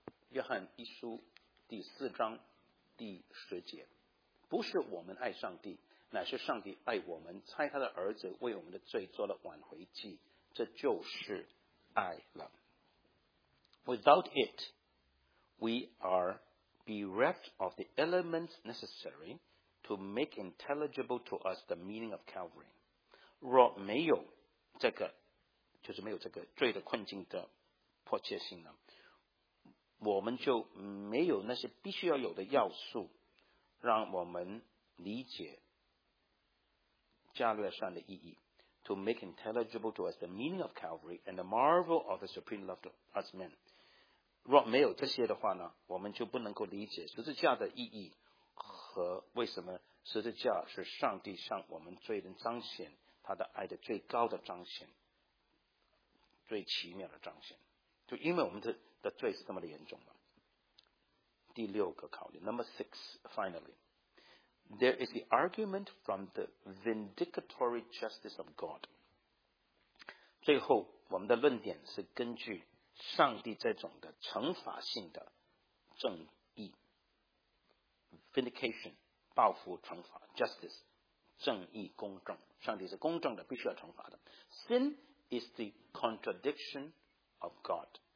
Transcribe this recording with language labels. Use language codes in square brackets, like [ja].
[zh] 约翰一书第四章第十节不是我们爱上帝乃是上帝爱我们差他的儿子为我们的罪做了挽回祭这就是爱了 [en] Without it We are bereft of the elements necessary to make intelligible to us the meaning of Calvary. [zh] 若没有这个，就是没有这个罪的困境的迫切性呢，我们就没有那些必须要有的要素，让我们理解加略山的意义。 [en] To make intelligible to us the meaning of Calvary and the marvel of the supreme love to us men. [zh] 若没有这些的话呢，我们就不能够理解十字架的意义和为什么十字架是上帝向我们罪人彰显他的爱的最高的彰显，最奇妙的彰显。就因为我们 的罪是这么的严重嘛。第六个考虑 [en] Number six, finally. There is the argument from the vindicatory justice of God. [zh] 最后我们的论点是根据上帝这种的惩罚性的正义 Vindication 报复惩罚 Justice 正义公正上帝是公正的必须要惩罚的 [en] Sin is the contradiction of God.